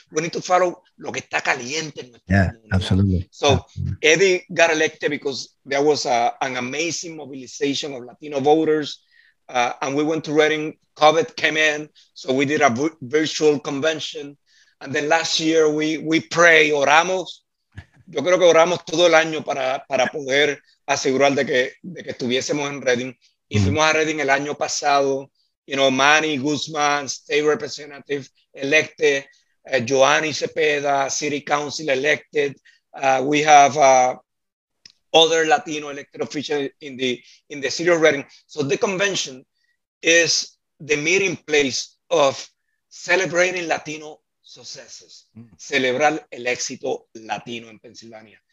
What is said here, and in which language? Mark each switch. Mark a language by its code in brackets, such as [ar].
[en] We need to follow [es] lo que está caliente. [en] Yeah, absolutely. So yeah. Eddie got elected because there was an amazing mobilization of Latino voters. And we went to Reading, COVID came in, so we did a virtual convention. And then last year, we pray, [es] oramos. Yo creo que oramos todo el año para poder asegurar de que estuviésemos en Reading. Y fuimos a Reading el año pasado. [en] You know, Manny Guzman, state representative, elected. Joanny Cepeda, city council elected. We have other Latino elected officials in the city of Redding. So the convention is the meeting place of celebrating Latino successes, [es] celebrar el éxito Latino en Pennsylvania.